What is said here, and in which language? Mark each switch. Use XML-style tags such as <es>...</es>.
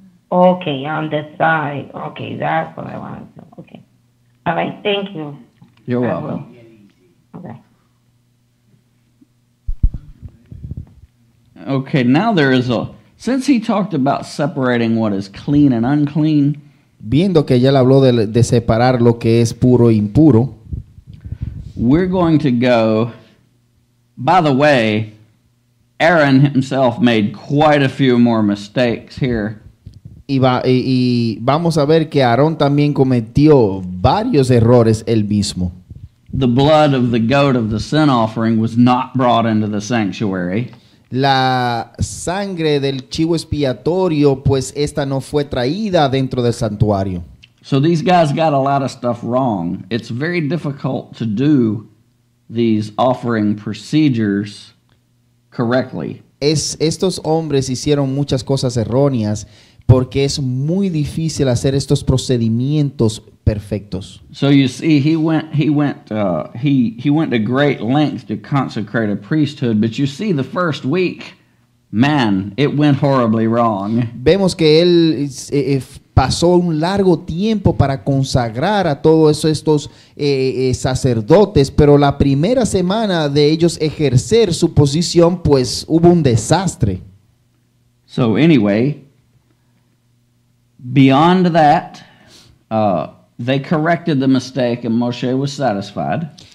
<en>Okay, on the side. Okay, that's what I want. Okay. All right, thank you. You're welcome. Okay. Okay, now there is a... Since he talked about separating what is clean and unclean...</en> <es>Viendo que ya le habló de separar lo que es puro e impuro...</es> <en>We're going to go... By the way, Aaron himself made quite a few more mistakes here.</en> <es>Y vamos a ver que Aarón también cometió varios errores él mismo.</es> <en>The blood of the goat of the sin offering was not brought into the sanctuary.</en> <es>La sangre del chivo expiatorio, pues esta no fue traída dentro del santuario.</es> <en>So these guys got a lot of stuff wrong. It's very difficult to do these offering procedures correctly.</en> <es>Estos hombres hicieron muchas cosas erróneas porque es muy difícil hacer estos procedimientos perfectos.</es> <en>So you see, he went to great length to consecrate a priesthood, but you see the first week, man, it went horribly wrong.</en> <es>Vemos que él pasó un largo tiempo para consagrar a todos estos sacerdotes, pero la primera semana de ellos ejercer su posición, pues hubo un desastre.</es> <en>So anyway, beyond that, they corrected the mistake and Moshe was satisfied.</en>